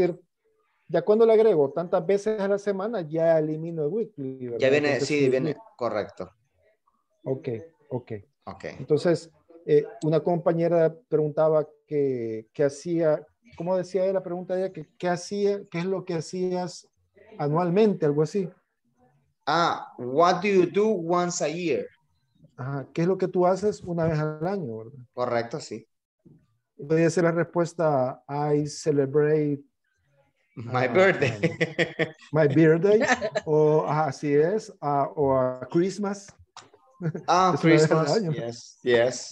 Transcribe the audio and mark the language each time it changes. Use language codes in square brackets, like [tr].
[es] Decir, ya cuando le agrego tantas veces a la semana, ya elimino el weekly, ¿verdad? Ya viene, entonces, sí, viene week. Correcto. Ok. Entonces, una compañera preguntaba qué hacía, ¿cómo decía ella? La pregunta ella, ¿qué hacía? ¿Qué es lo que hacías anualmente? Algo así. [en] Ah, what do you do once a year? Ajá. [es] ¿Qué es lo que tú haces una vez al año? Correcto, sí. Podría ser la respuesta, [en] I celebrate... My birthday. My birthday, [es] o así es, o a Christmas. [en] Ah, Christmas, yes.